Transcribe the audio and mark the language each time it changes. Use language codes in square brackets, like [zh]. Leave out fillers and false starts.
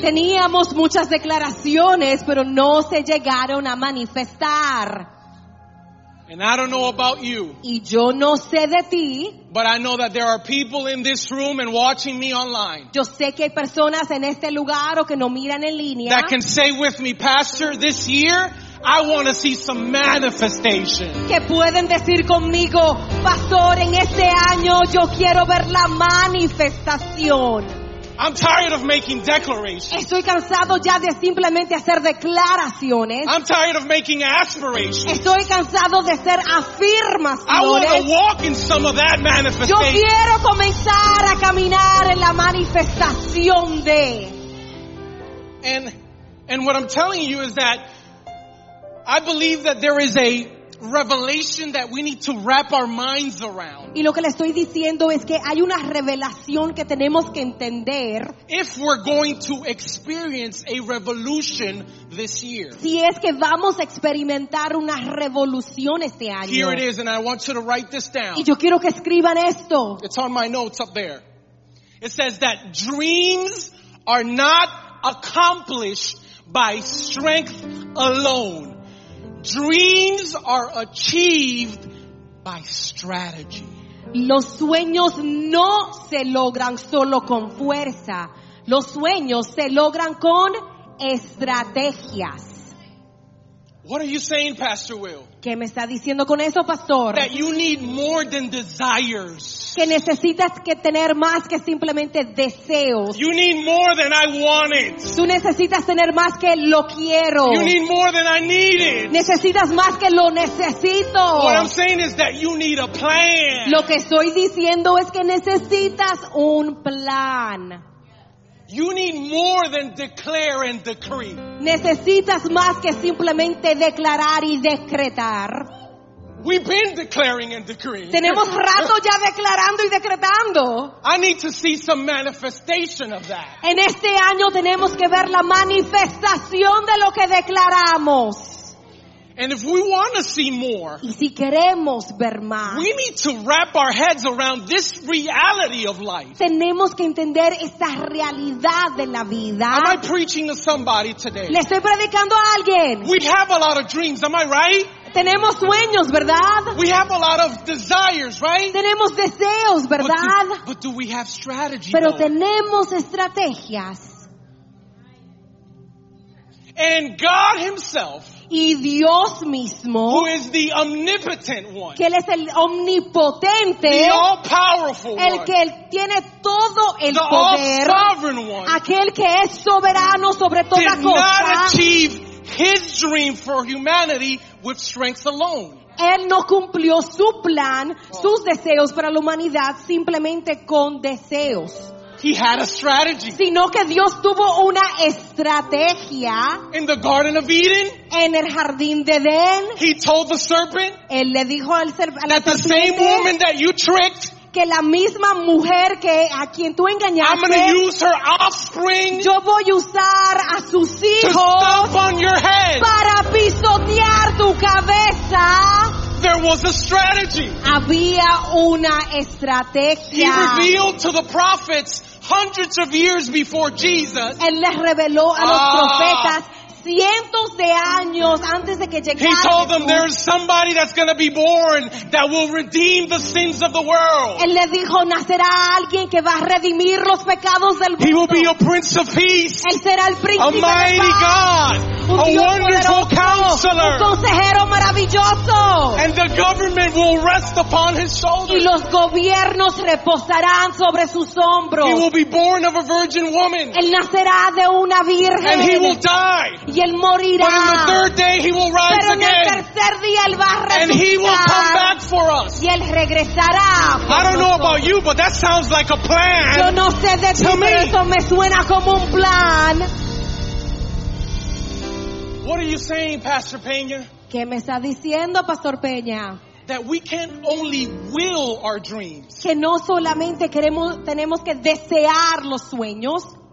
[es] Teníamos muchas declaraciones, pero no se llegaron a manifestar. [en] And I don't know about you. [es] Y yo no sé de ti. [en] But I know that there are people in this room and watching me online. [es] Yo sé que hay personas en este lugar o que no miran en línea. [en] That can say with me, Pastor, this year I want to see some manifestation. [es] Que pueden decir conmigo, Pastor, en este año yo quiero ver la manifestación. [en] I'm tired of making declarations. [es] Estoy cansado ya de simplemente hacer declaraciones. [en] I'm tired of making aspirations. [es] Estoy cansado de hacer afirmaciones. [en] I want to walk in some of that manifestation. [es] Yo quiero comenzar a caminar en la manifestación de. [en] And what I'm telling you is that I believe that there is a revelation that we need to wrap our minds around. [es] Y lo que le estoy diciendo es que hay una revelación que tenemos que entender. [en] If we're going to experience a revolution this year. [es] Si es que vamos a experimentar una revolución este año. [en] Here it is, and I want you to write this down. [es] Y yo quiero que escriban esto. [en] It's on my notes up there. It says that dreams are not accomplished by strength alone. Dreams are achieved by strategy. [es] Los sueños no se logran solo con fuerza. Los sueños se logran con estrategias. [en] What are you saying, Pastor Will? [es] ¿Qué me está diciendo con eso, pastor? [en] That you need more than desires. [es] Que necesitas que tener más que simplemente deseos. [en] You need more than I want it. [es] Tú necesitas tener más que lo quiero. [en] You need more than I need it. [es] Necesitas más que lo necesito. [en] What I'm saying is that you need a plan. [es] Lo que estoy diciendo es que necesitas un plan. [en] You need more than declare and decree. [es] Necesitas más que simplemente declarar y decretar. [en] We've been declaring and decreeing. [es] Tenemos rato ya declarando y decretando. [en] I need to see some manifestation of that. [es] En este año tenemos que ver la manifestación de lo que declaramos. [en] And if we want to see more, [es] y si queremos ver más, [en] we need to wrap our heads around this reality of life. [es] Tenemos que entender esta realidad de la vida. [en] Am I preaching to somebody today? [es] Le estoy predicando a alguien. [en] We have a lot of dreams, am I right? [es] Tenemos sueños, ¿verdad? [en] We have a lot of desires, right? [es] Tenemos deseos, ¿verdad? [en] But do we have strategy? [es] Pero tenemos estrategias. [en] And God himself, [es] y Dios mismo, [en] who is the omnipotent one, [es] que él es el omnipotente, [en] the all-powerful one, [es] el que tiene todo el [en] the [es] poder, [en] all-sovereign one, [es] aquel que es soberano sobre toda [en] did not achieve his dream for humanity with strength alone. [es] Él no cumplió su plan, sus deseos para la humanidad simplemente con deseos. [en] He had a strategy. [es] Sino que Dios tuvo una estrategia. [en] In the Garden of Eden. [es] En el jardín de Edén. [en] He told the serpent. [es] Él le dijo al serpiente. [en] That the same woman that you tricked. [es] Que la misma mujer que a quien tú engañaste. [en] I'm gonna use her offspring. [es] Yo voy a usar a sus hijos. [en] To stomp on your head. [es] Para pisotear tu cabeza. [en] There was a strategy. [es] Había una estrategia. [en] He revealed to the prophets hundreds of years before Jesus. [es] Él les reveló a los profetas cientos de años antes de que llegara. [en] He told them there is somebody that's going to be born that will redeem the sins of the world. [es] Él les dijo nacerá alguien que va a redimir los pecados del mundo. [en] He will be a prince of peace. [es] Él será el príncipe de paz. [en] A mighty God. A wonderful counselor. [es] Un consejero maravilloso. [en] And the government will rest upon his shoulders. [es] Y los gobiernos reposarán sobre sus hombros. [en] He will be born of a virgin woman. [es] Él nacerá de una virgen. [en] And he will die. [es] Y él morirá. [en] But on the third day he will rise [es] Pero [en] again. [es] En el tercer día él va a resucitar. [en] And he will come back for us. [es] Y él regresará por nosotros. [en] I don't know about you, but that sounds like a plan. [es] Yo no sé de ti, pero eso me suena como un plan. [en] What are you saying, Pastor Peña? [es] ¿Qué me está diciendo, Pastor Peña? [en] That we can only will our dreams. [es] Que no solamente queremos, tenemos que desear los sueños.